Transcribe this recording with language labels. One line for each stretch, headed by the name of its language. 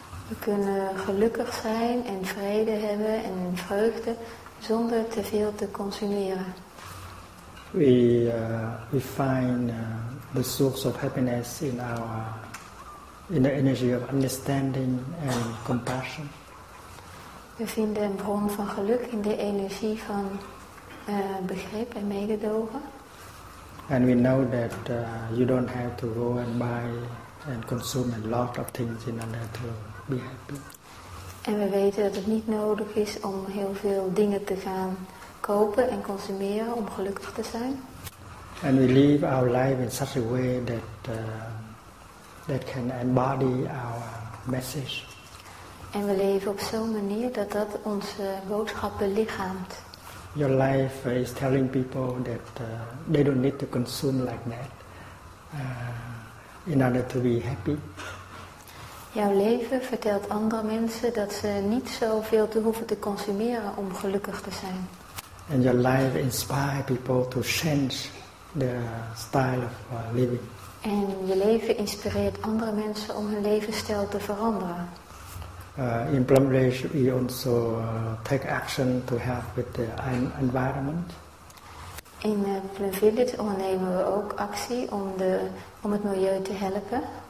Dutch: We kunnen gelukkig zijn en vrede hebben en vreugde zonder te veel te consumeren.
English: We find the source of happiness in our in the energy of understanding and compassion.
Dutch: We vinden een bron van geluk in de energie van begrip en mededogen.
English: And we know that you don't have to go and buy and consume a lot of things in order to be happy.
Dutch: En we weten dat het niet nodig is om heel veel dingen te gaan kopen en consumeren om gelukkig te zijn.
English: And we live our life in such a way that that can embody our message.
Dutch: En we leven op zo'n manier dat onze boodschap belichaamt.
English: Your life is telling people that they don't need to consume like that in order to be happy.
Dutch: Jouw leven vertelt andere mensen dat ze niet zoveel te hoeven te consumeren om gelukkig te zijn.
English: And your life inspires people to change the style of living.
Dutch: En je leven inspireert andere mensen om hun levensstijl te veranderen.
English: In Plum Ridge we also take action to help with the environment.
Dutch: In Plum Village ondernemen we ook actie om het milieu te helpen.